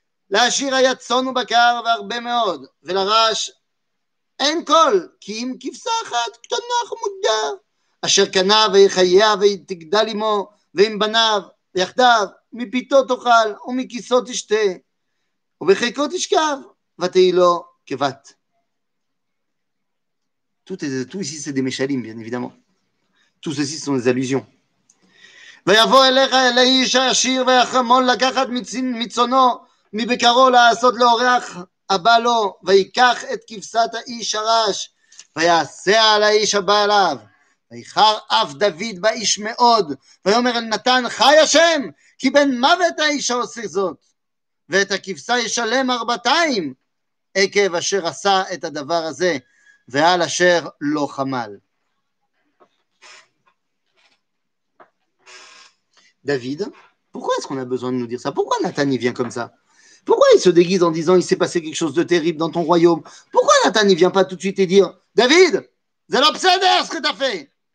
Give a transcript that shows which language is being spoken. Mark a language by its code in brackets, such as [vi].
[he] להשאיר היה צון ובקר והרבה מאוד, ולרעש אין קול, כי אם כבשה אחת קטנה חמודה, אשר קנה ויחייה ותגדל עמו, ועם בניו, יחדיו, מפיתו תאכל ומכיסו תשתה, ובחיקו תשכב, ותהי לו כבת. [fr] Tout ici c'est des méchalim, bien évidemment. Tout ceci sont des allusions. [he] ויבוא אליך לאיש העשיר ויחמול לקחת מצונו מבקרו לעשות לאורח הבא לו ויקח את כבשת האיש הרש ויעשה על האיש הבא עליו ויחר אף דוד באיש מאוד ויאמר אל נתן חי השם כי בן מוות האיש עושה זאת ואת הכבשה ישלם ארבעתיים עקב אשר עשה את הדבר הזה ועל אשר לא חמל. [fr] David, pourquoi est-ce qu'on a besoin de nous dire ça? Pourquoi Nathan il vient comme ça? Pourquoi il se déguise en disant il s'est passé quelque chose de terrible dans ton royaume? Pourquoi Nathan il vient pas tout de suite et dire David, c'est l'obséder ce que tu as fait?